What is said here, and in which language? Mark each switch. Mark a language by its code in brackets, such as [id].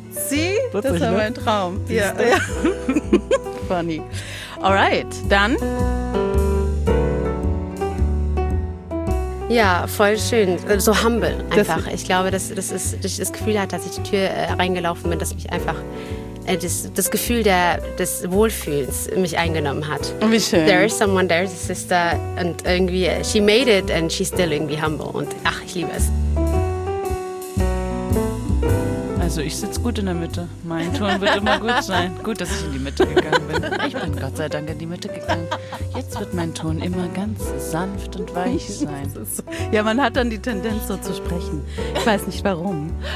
[de] Sie? Das war mein Traum. Ja. [en] Funny. Alright, [de] dann. Ja, voll schön. So humble einfach. Ich glaube, dass ich das Gefühl hatte, dass ich die Tür reingelaufen bin, dass mich einfach das Gefühl des Wohlfühls mich eingenommen hat. Wie schön. [en] There is someone, there is a sister and [de] irgendwie [en] she made it and she's still irgendwie humble. [de] Und ach, ich liebe es. Also ich sitze gut in der Mitte. Mein Turn wird immer gut sein. Gut, dass ich in die Mitte gegangen bin. Ich bin Gott sei Dank in die Mitte gegangen. Jetzt wird mein Ton immer ganz sanft und weich sein. Ja, man hat dann die Tendenz, so zu sprechen. Ich weiß nicht, warum.